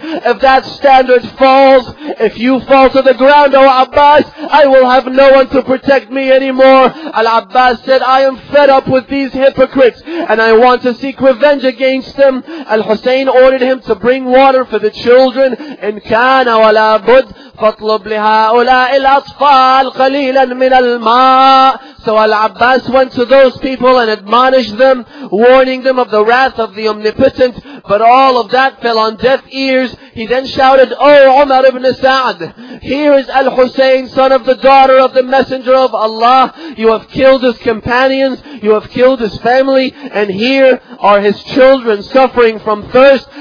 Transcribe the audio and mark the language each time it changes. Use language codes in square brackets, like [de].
[en] If that standard falls, if you fall to the ground, O Abbas, I will have no one to protect me anymore. Al-Abbas said, I am fed up with these hypocrites and I want to seek revenge against them. Al-Hussein ordered him to bring water for the children. [ar] إن كان ولا بد فاطلب لهؤلاء الأطفال قليلا من الماء. [en] So Al-Abbas went to those people and admonished them, warning them of the wrath of the Omnipotent. But all of that fell on deaf ears. He then shouted, O Umar ibn Sa'd, here is Al-Hussein, son of the daughter of the Messenger of Allah. You have killed his companions, you have killed his family, and here are his children suffering from thirst.